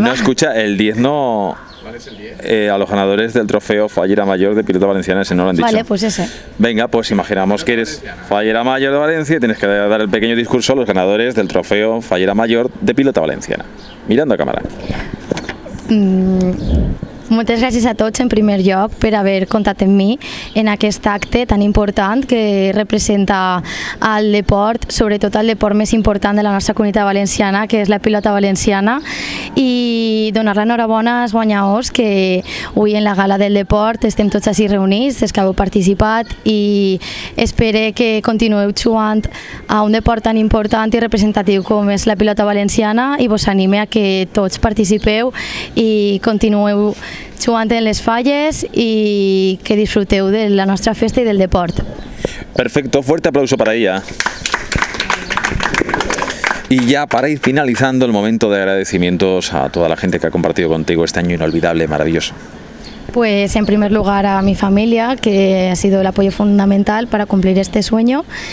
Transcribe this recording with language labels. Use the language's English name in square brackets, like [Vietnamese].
[Spanish] ¿no? No, escucha, el 10 no. A los ganadores del trofeo Fallera Mayor de Pilota Valenciana, ese no lo han dicho. Vale, pues ese. Venga, pues imaginamos que eres Fallera Mayor de Valencia y tienes que dar el pequeño discurso a los ganadores del trofeo Fallera Mayor de Pilota Valenciana. Mirando a cámara. Muchas gracias a todos [Catalan] en primer lloc per haver comptat amb mi en aquest acte tan important que representa el deport, sobretot el deport més important de la nostra comunitat valenciana, que és la pilota valenciana, i donar l'enhorabona als guanyadors, que avui en la gala del deport estem tots així reunits, els que heu participat, i espero que continueu jugant a un deport tan important i representatiu com és la pilota valenciana, i vos anime a que tots participeu i continueu jugant en les falles i que disfruteu de la nostra festa i del deport. [Spanish] Perfecto, fuerte aplauso para ella. Y ya para ir finalizando el momento de agradecimientos a toda la gente que ha compartido contigo este año inolvidable, maravilloso. Pues en primer lugar a mi familia, que ha sido el apoyo fundamental para cumplir este sueño.